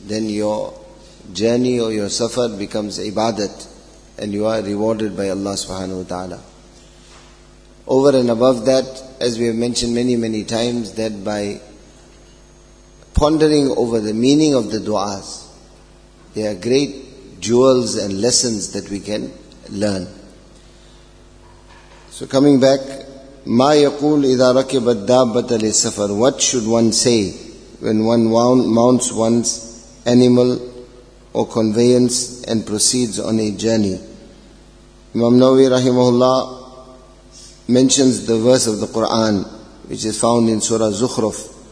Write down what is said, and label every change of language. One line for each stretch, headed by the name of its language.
English: Then your journey or your safar becomes ibadat, and you are rewarded by Allah subhanahu wa ta'ala. Over and above that, as we have mentioned many, many times, that by pondering over the meaning of the du'as, there are great jewels and lessons that we can learn. So coming back,
Arabic: مَا يَقُولُ إِذَا رَكِبَ الدَّابَّةَ لِلسَّفَرِ.
English: What should one say when one mounts one's animal or conveyance and proceeds on a journey? Imam Nawawi rahimahullah mentions the verse of the Qur'an which is found in Surah Zukhruf.